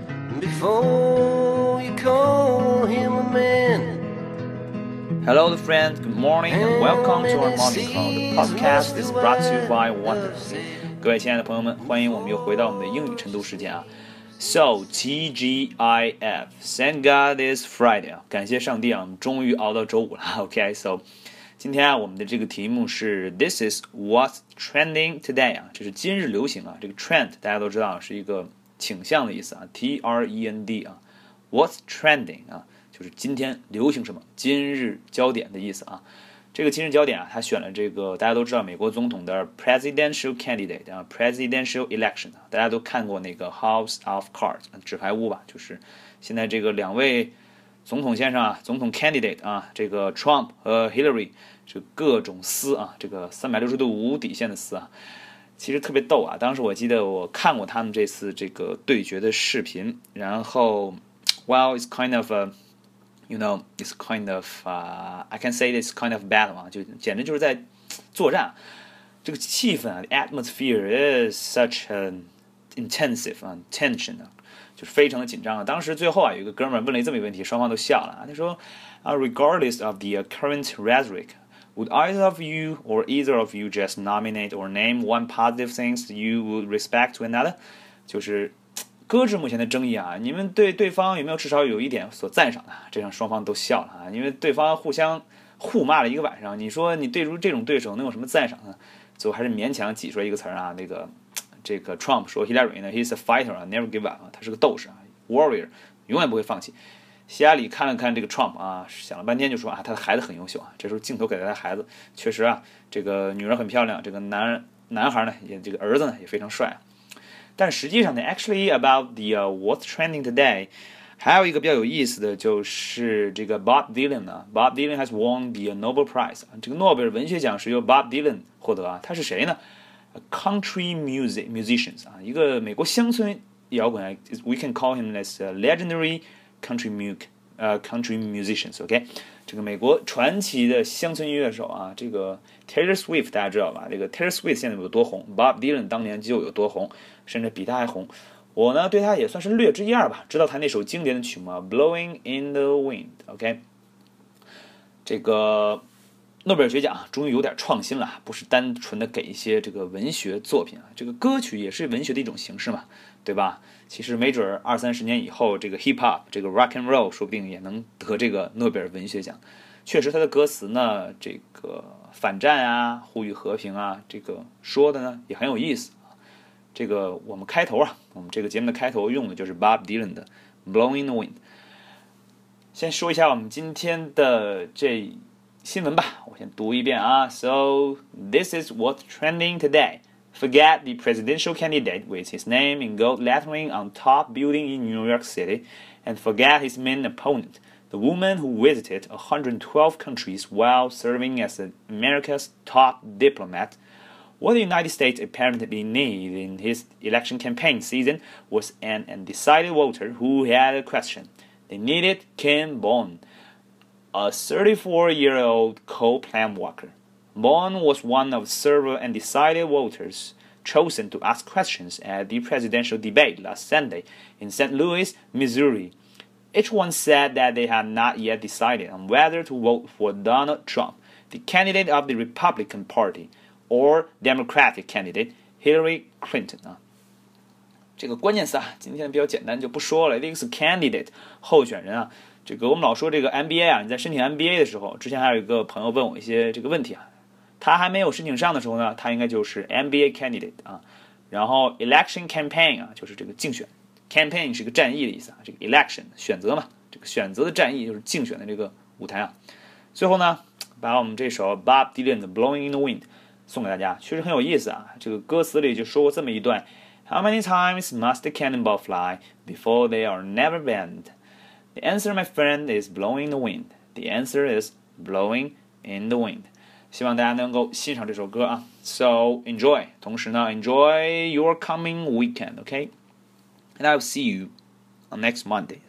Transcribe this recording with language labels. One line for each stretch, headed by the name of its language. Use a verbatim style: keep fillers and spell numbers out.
English: And before you call him a man. Hello, friends. Good morning and welcome to our morning call. The podcast is brought to you by Wonderful.
Chinese: 各位亲爱的朋友们，欢迎我们又回到我们的英语晨读时间啊。
English: So T G I F, thank God it's Friday.
Chinese: 感谢上帝啊，我们终于熬到周五了。
English: Okay, so
Chinese: 今天啊，我们的这个题目是
English: This is what's trending today
Chinese: 啊，这是今日流行啊。这个 trend 大家都知道是一个倾向的意思啊 ，T R E N D 啊 ，
English: what's trending
Chinese: 啊，就是今天流行什么，今日焦点的意思啊。这个今日焦点啊，他选了这个大家都知道美国总统的 presidential candidate 啊 ，presidential election 啊，大家都看过那个 House of Cards 纸牌屋吧，就是现在这个两位总统先生啊，总统 candidate 啊，这个 Trump 和 Hillary 是各种撕啊，这个三百六十度无底线的撕啊，其实特别逗啊。当时我记得我看过他们这次这个对决的视频，然后
English: well it's kind of a You know, it's kind of,、uh, I can say it's kind of battle
Chinese: 啊，就简直就是在作战。这个气氛啊 ，
English: the atmosphere is such an intensive、uh, tension
Chinese: 啊，就是非常的紧张啊。当时最后啊，有一个哥们儿问了这么一个问题，双方都笑了啊。他说啊 ，
English: Regardless of the current rhetoric, would either of you or either of you just nominate or name one positive things you would respect to another？
Chinese: 就是。搁置目前的争议啊，你们对对方有没有至少有一点所赞赏的？这让双方都笑了啊，因为对方互相互骂了一个晚上。你说你对出这种对手能有什么赞赏呢？最后还是勉强挤出来一个词儿啊，那个这个 Trump 说 Hillary 呢 ，
English: he's a fighter
Chinese: 啊 ，
English: never give up
Chinese: 啊，他是个斗士啊 ，warrior 永远不会放弃。希拉里看了看这个 Trump 啊，想了半天就说啊，他的孩子很优秀啊。这时候镜头给了他孩子，确实啊，这个女人很漂亮，这个男男孩呢也这个儿子呢也非常帅啊。但实际上呢 ，
English: actually about the、uh, what's trending today，
Chinese: 还有一个比较有意思的就是这个
English: Bob Dylan 呢、啊、，Bob Dylan has won the Nobel Prize，
Chinese: 这个诺贝尔文学奖是由 Bob Dylan 获得啊，他是谁呢 ？
English: A country music musicians
Chinese: 啊，一个美国乡村摇滚、啊、，
English: we can call him as a legendary country music， 呃、uh, ，country musicians，
Chinese: OK，、okay? 这个美国传奇的乡村音乐手啊，这个 Taylor Swift 大家知道吧？这个 Taylor Swift 现在有多红 ，Bob Dylan 当年就有多红。甚至比他还红，我呢对他也算是略知一二吧，知道他那首经典的曲目《Blowing in the Wind》。 OK， 这个诺贝尔学奖终于有点创新了，不是单纯的给一些这个文学作品啊，这个歌曲也是文学的一种形式嘛，对吧？其实没准二三十年以后，这个 hip hop， 这个 rock and roll， 说不定也能得这个诺贝尔文学奖。确实，他的歌词呢，这个反战啊，呼吁和平啊，这个说的呢也很有意思。这个我们开头啊，我们这个节目的开头用的就是 Bob Dylan 的 Blowing in the Wind。先说一下我们今天的这新闻吧，我先读一遍啊。
English: So this is what's trending today. Forget the presidential candidate with his name in gold lettering on top building in New York City, and forget his main opponent, the woman who visited one hundred twelve countries while serving as America's top diplomat. What the United States apparently needed in his election campaign season was an undecided voter who had a question. They needed Ken Bond, a thirty-four-year-old coal-plant worker. Bond was one of several undecided voters chosen to ask questions at the presidential debate last Sunday in Saint Louis, Missouri. Each one said that they had not yet decided on whether to vote for Donald Trump, the candidate of the Republican Party. Or Democratic candidate Hillary Clinton
Chinese: 啊，这个关键词啊，今天比较简单就不说了。 This candidate 候选人啊，这个我们老说这个 M B A 啊，你在申请 M B A 的时候，之前还有一个朋友问我一些这个问题啊，他还没有申请上的时候呢，他应该就是 M B A candidate 啊，然后 election campaign 啊，就是这个竞选 ，campaign 是一个战役的意思啊，这个 election 选择嘛，这个选择的战役就是竞选的这个舞台啊。最后呢，把我们这首 Bob Dylan 的 Blowing in the Wind。送给大家，确实很有意思啊！这个歌词里就说过这么一段
English: ：How many times must the cannonball fly before they are never banned? The answer, my friend, is blowing in the wind. The answer is blowing in the wind.
Chinese: 希望大家能够欣赏这首歌啊 ！
English: So enjoy，
Chinese: 同时呢 ，
English: enjoy your coming weekend, okay? And I'll see you on next Monday.